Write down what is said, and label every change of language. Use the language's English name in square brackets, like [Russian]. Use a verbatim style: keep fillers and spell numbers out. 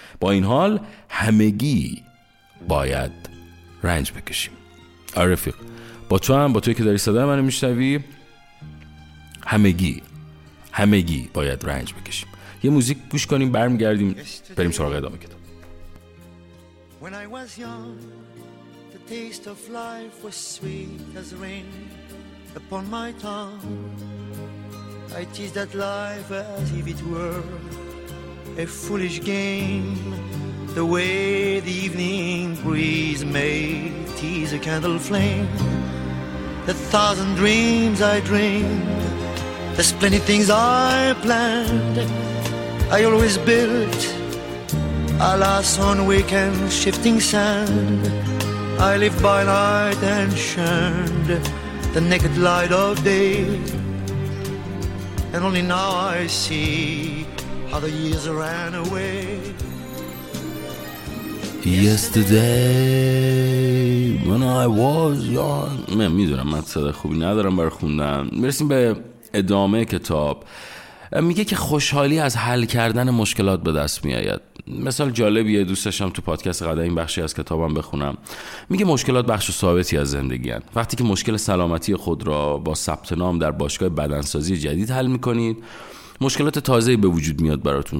[Persian] با این حال همگی باید رنج بکشیم. آره رفیق، با تو هم، با توی که داری صدای منو میشنوی، همگی همگی باید رنج بکشیم. یه موزیک گوش کنیم، برمیگردیم بریم سراغ ادامه کتاب. [English] When I was young the taste of life was sweet as rain upon my tongue. I teased that life as if it were a foolish game, the way the evening breeze may tease a candle flame. The thousand dreams I dreamed, the splendid things I planned, I always built, alas, on weekend shifting sand. I lived by night and shunned the naked light of day, and only now I see how the years ran away. Yesterday when I was young. [Persian] من میدونم من صدا خوبی ندارم برای خوندن. میرسیم به ادامه کتاب. میگه که خوشحالی از حل کردن مشکلات به دست میآید. مثال جالبیه، دوست داشتم تو پادکست قدیم این بخشی از کتابم بخونم. میگه مشکلات بخش ثابتی از زندگی هست. وقتی که مشکل سلامتی خود را با ثبت نام در باشگاه بدنسازی جدید حل میکنید، مشکلات تازه‌ای به وجود میاد براتون.